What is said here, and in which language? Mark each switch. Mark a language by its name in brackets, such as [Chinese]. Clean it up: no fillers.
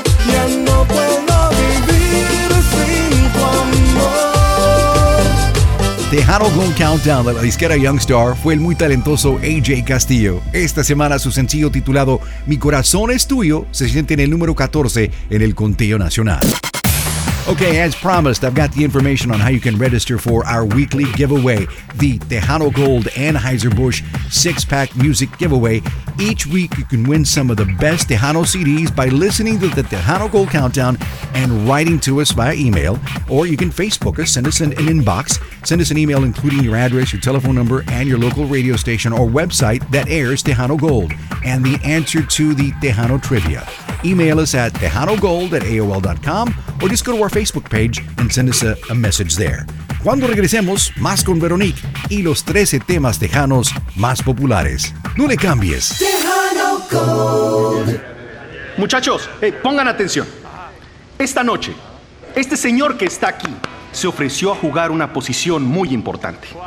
[Spanish] Ya no puedo vivir sin tu amor. Tejano Gold Countdown de la disquera Young Star fue el muy talentoso AJ Castillo. Esta semana su sencillo titulado Mi Corazón es Tuyo se siente en el número 14 en el conteo nacional. [English] Okay, as promised, I've got the information on how you can register for our weekly giveaway, the Tejano Gold Anheuser-Busch 6-Pack Music Giveaway. Each week, you can win some of the best Tejano CDs by listening to the Tejano Gold Countdown and writing to us via email, or you can Facebook us, send us an inbox, send us an email including your address, your telephone number, and your local radio station or website that airs Tejano Gold, and the answer to the Tejano Trivia. Email us at TejanoGold@AOL.com or just go to our Facebook page and send us a message there. [Spanish] Cuando regresemos, más con Veronique y los 13 temas tejanos más populares. No le cambies. Tejano Gold. Muchachos, hey, pongan atención. Esta noche, este señor que está aquí se ofreció a jugar una posición muy importante.